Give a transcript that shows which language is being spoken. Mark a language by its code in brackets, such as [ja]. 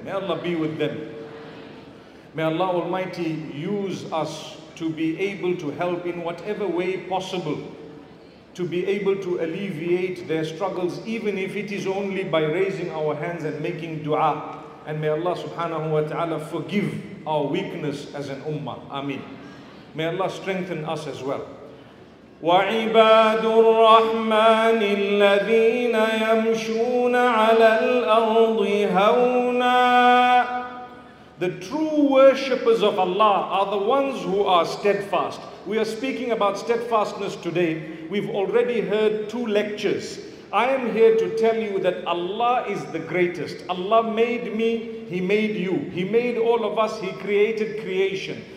[en] May Allah be with them. May Allah Almighty use us to be able to help in whatever way possible, to be able to alleviate their struggles, even if it is only by raising our hands and making dua. And may Allah subhanahu wa ta'ala forgive our weakness as an ummah. Ameen. May Allah strengthen us as well. [ar] وعباد الرحمن الذين يمشون على الأرض هونا. [en] The true worshippers of Allah are the ones who are steadfast. We are speaking about steadfastness today. We've already heard two lectures. I am here to tell you that Allah is the greatest. Allah made me, He made you. He made all of us, He created creation.